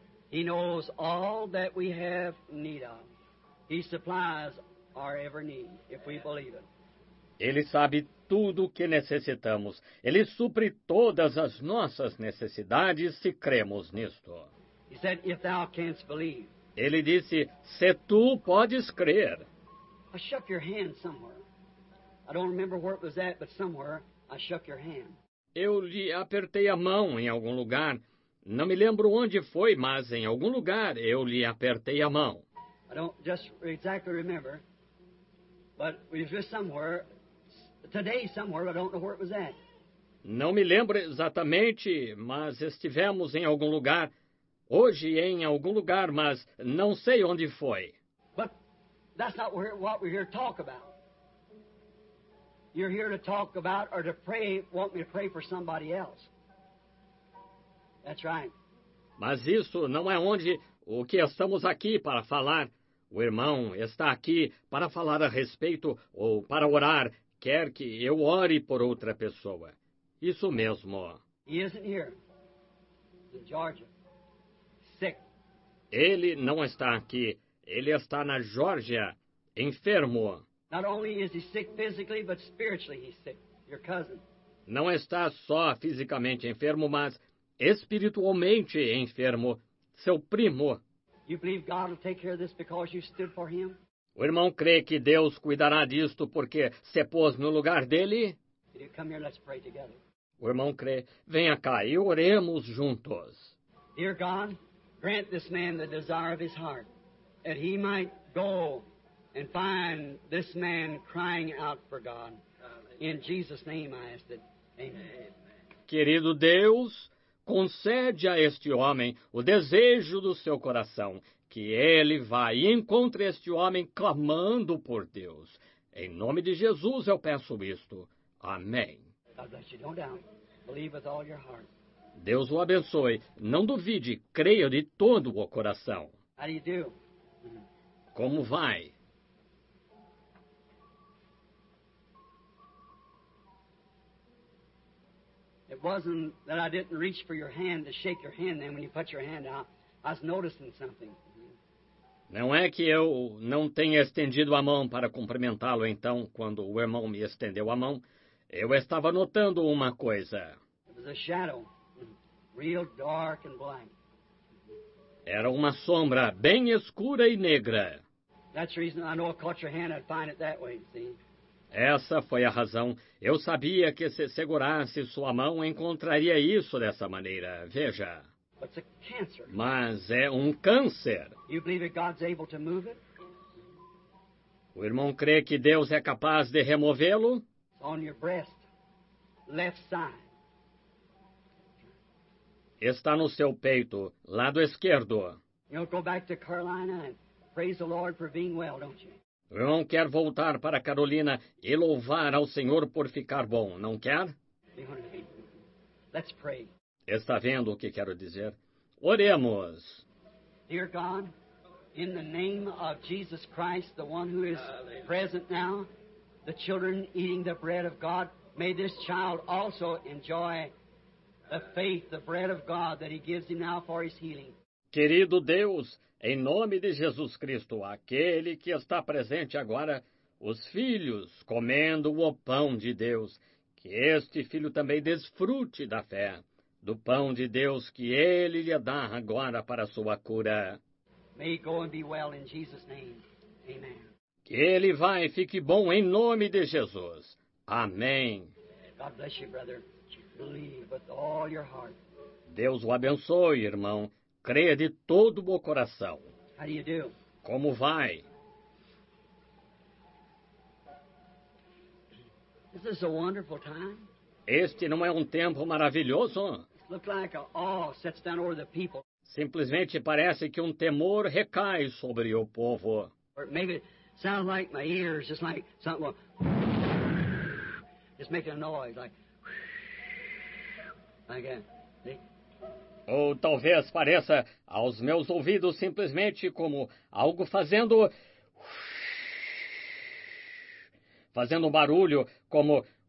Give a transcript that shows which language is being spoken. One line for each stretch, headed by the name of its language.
English: He knows all that we have need of. He supplies our every need, if we believe it.
Portuguese: Ele sabe tudo o que necessitamos. Ele supre todas as nossas necessidades se cremos nisto.
English: He said, if thou canst believe.
Portuguese: Ele disse, se tu podes crer.
English: I shook your hand somewhere. I don't remember where it was at, but somewhere I shook your hand.
Portuguese: Eu lhe apertei a mão em algum lugar. Não me lembro onde foi, mas em algum lugar eu lhe apertei a mão.
English: I don't just exactly remember, but it was just somewhere. Today somewhere, I don't know where it was at.
Portuguese: Não me lembro exatamente, mas estivemos em algum lugar. Hoje em algum lugar, mas não sei onde foi.
English: But that's not what we're here to talk about. You're here to talk about or to pray, want me to pray for somebody else. That's right.
Portuguese: Mas isso não é onde o que estamos aqui para falar. O irmão está aqui para falar a respeito ou para orar. Quer que eu ore por outra pessoa. Isso mesmo.
English: He isn't here. He's in Georgia. Sick.
Portuguese: Ele não está aqui. Ele está na Geórgia, enfermo.
English: Not only is he sick physically, but spiritually he's sick. Your cousin.
Portuguese: Não está só fisicamente enfermo, mas espiritualmente enfermo. Seu primo.
English: You believe God will take care of this because you stood for him?
Portuguese: O irmão crê que Deus cuidará disto porque se pôs no lugar dele?
English: Come here, let's pray together.
Portuguese: O irmão crê. Venha cá e oremos juntos.
English: Dear God, grant this man the desire of his heart, that he might go and find this man crying out for God. In Jesus' name I ask it. Amen.
Portuguese: Querido Deus, concede a este homem o desejo do seu coração, que ele vá e encontre este homem clamando por Deus. Em nome de Jesus eu peço isto. Amém.
English: God bless you. Don't doubt. Believe with all your heart.
Portuguese: Deus o abençoe. Não duvide. Creia de todo o coração.
English: How do you do?
Portuguese: Como vai?
English: It wasn't that I didn't reach for your hand to shake your hand then when you put your hand out. I was noticing something.
Portuguese: Não é que eu não tenha estendido a mão para cumprimentá-lo então, quando o irmão me estendeu a mão. Eu estava notando uma coisa.
English: It was a shadow, real dark and black.
Portuguese: Era uma sombra bem escura e negra.
English: That's the reason I know I caught your hand, I'd find it that way, see?
Portuguese: Essa foi a razão. Eu sabia que se segurasse sua mão, encontraria isso dessa maneira. Veja.
English: But it's a cancer.
Portuguese: Mas é um câncer.
English: You believe that God's able to move it?
Portuguese: O irmão crê que Deus é capaz de removê-lo?
English: It's on your breast, left side.
Portuguese: Está no seu peito, lado esquerdo.
English: You go back to Carolina and praise the Lord for being well, don't you?
Portuguese: O irmão quer voltar para Carolina e louvar ao Senhor por ficar bom, não quer?
English: Let's pray.
Portuguese: Está vendo o que quero dizer? Oremos.
English: Dear God, In the name of Jesus Christ, the one who is present now, the children eating the bread of God, may this child also enjoy the faith, the bread of God that he gives him now for his healing.
Portuguese: Querido Deus, em nome de Jesus Cristo, aquele que está presente agora, os filhos comendo o pão de Deus, que este filho também desfrute da fé, do pão de Deus que ele lhe dá agora para sua cura.
English: May go and be well in Jesus' name. Amen.
Portuguese: Que ele vá e fique bom em nome de Jesus. Amém.
English: God bless you, brother. Believe with all your heart.
Portuguese: Deus o abençoe, irmão. Creia de todo o coração.
English: How do you do?
Portuguese: Como vai?
English: This is a wonderful time.
Portuguese: Este não é um tempo maravilhoso?
English: Looks like an awe sets down over the people.
Portuguese: Simplesmente parece que um temor recai sobre o povo.
English: Or maybe it sounds like my ears, just like something. Well, just making a noise, like that.
Portuguese: Ou talvez pareça aos meus ouvidos simplesmente como algo fazendo. Fazendo um barulho como.